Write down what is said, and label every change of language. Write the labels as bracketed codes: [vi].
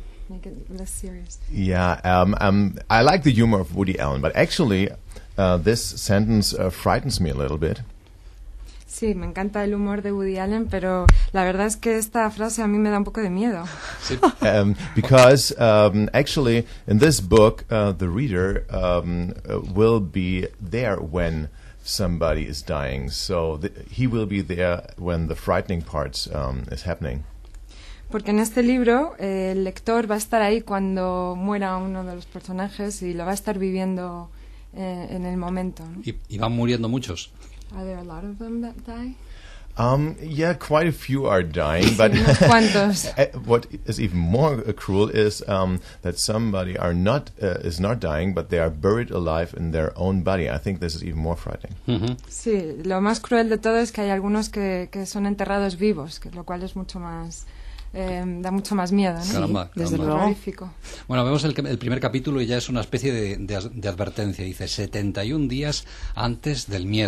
[en] I like the humor of Woody Allen, but actually this sentence frightens me a little bit. [es] Sí, me encanta el humor de Woody Allen, pero la verdad es que esta frase a mí me da un poco de miedo. Sí. [en] Because actually, in this book, the reader will be there when somebody is dying. So he will be there when the frightening part is happening. [es] Porque en este libro el lector va a estar ahí cuando muera uno de los personajes y lo va a estar viviendo en el momento, ¿no? Y van muriendo muchos. [en] Are there a lot of them that die? Yeah, quite a few are dying, but what is even more cruel is that somebody is not dying, but they are buried alive in their own body. I think this is even more frightening. Sí, lo más cruel de todo es que hay algunos que son enterrados vivos, lo cual es mucho más da mucho más miedo, ¿no? [es] Caramba, desde caramba. Lo horrífico. Bueno, vemos el primer capítulo y ya es una especie de advertencia. Dice: 71 días antes del miedo.